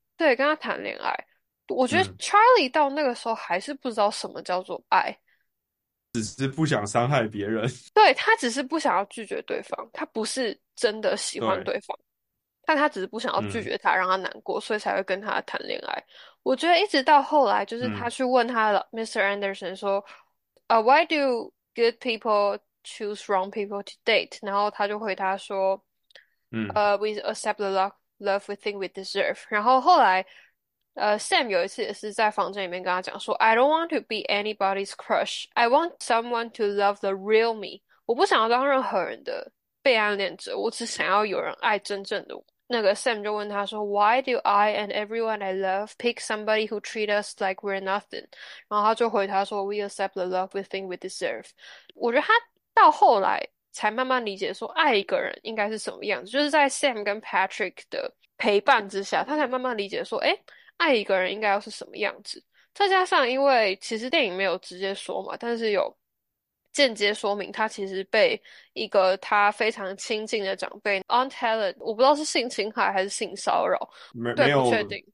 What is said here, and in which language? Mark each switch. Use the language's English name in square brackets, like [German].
[Chinese] 对，跟他谈恋爱。我觉得 Charlie 到那个时候还是不知道什么叫做爱，只是不想伤害别人，对，他只是不想要拒绝对方，他不是真的 喜欢对，对方，但他只是不想要拒绝他，让他难过，所以才会跟他谈恋爱。我觉得一直到后来，就是他去问他的 Mr. [English] Anderson [Chinese] 说， [English] Why do good people choose wrong people to date？ [Chinese] 然后他就回答说， [English] We accept the love we think we deserve。 [Chinese] 然后后来，Sam 有一次也是在房间里面跟他讲说， [English] I don't want to be anybody's crush. I want someone to love the real me. [Chinese] 我不想要当任何人的被暗恋者，我只想要有人爱真正的我。那个 [English] Sam [Chinese] 就问他说， [English] Why do I and everyone I love pick somebody who treat us like we're nothing？ [Chinese] 然后他就回答说， [English] We accept the love we think we deserve。 [Chinese] 我觉得他到后来才慢慢理解说，爱一个人应该是什么样子，就是在 Sam 跟 Patrick 的陪伴之下，他才慢慢理解说，诶，爱一个人应该要是什么样子？再加上，因为其实电影没有直接说嘛，但是有间接说明，他其实被一个他非常亲近的长辈 Aunt Helen，我不知道是性侵害还是性骚扰，对，不确定。